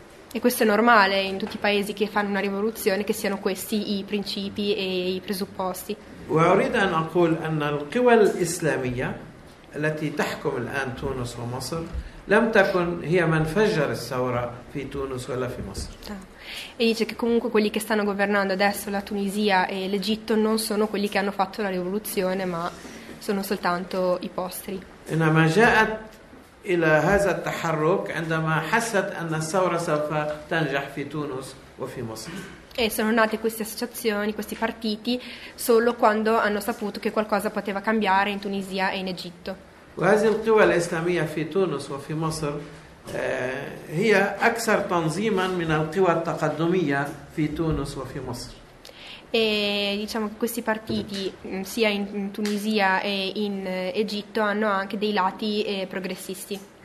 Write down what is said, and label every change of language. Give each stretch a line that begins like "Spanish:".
Italian: E questo è normale in tutti i paesi che fanno una rivoluzione che siano questi i principi e i presupposti.
Arabic: وأريد أن أقول أن القوى الإسلامية التي تحكم الآن تونس ومصر لم تكن هي من فجر الثورة في تونس ولا في مصر.
Italian: E dice che comunque quelli che stanno governando adesso la Tunisia e l'Egitto non sono quelli che hanno fatto la rivoluzione, ma sono soltanto i posteri.
Arabic: إنما جاءت إلى هذا التحرك عندما حست أن الثورة سوف تنجح في تونس وفي مصر.
Italian: E sono nate queste associazioni, questi partiti, solo quando hanno saputo che qualcosa poteva cambiare in Tunisia e in Egitto.
Arabic: وهذه القوى الإسلامية في تونس وفي مصر هي أكثر تنظيما من القوى التقدمية في تونس وفي مصر.
Italian: E diciamo che questi partiti sia in Tunisia e in Egitto hanno anche dei lati progressisti.